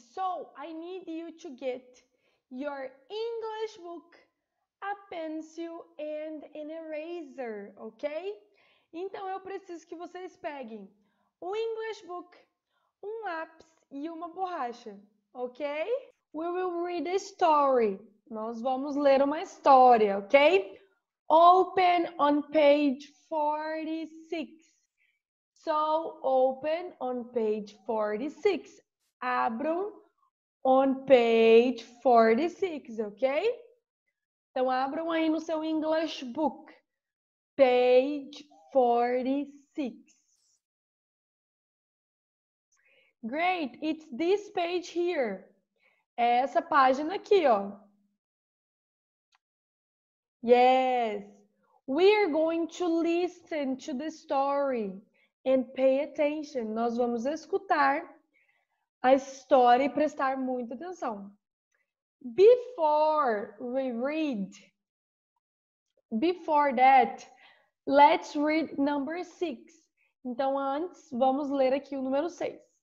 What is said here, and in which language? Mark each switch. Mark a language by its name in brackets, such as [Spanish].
[English] So I need you to get your English book, a pencil and an eraser, ok? [Portuguese] Então eu preciso que vocês peguem o English book, um lápis e uma borracha, ok? [English] We will read a story. [Portuguese] Nós vamos ler uma história, ok? [English] Open on page 46. So open on page 46. Abram on page 46, ok? [Portuguese] Então abram aí no seu English book. Page 46. [English] Great, it's this page here. [Portuguese] É essa página aqui, ó. [English] Yes, we're going to listen to the story and pay attention. [Portuguese] Nós vamos escutar a história e prestar muita atenção. [English] Before that, let's read number six. [Portuguese] Então, antes, vamos ler aqui o número seis.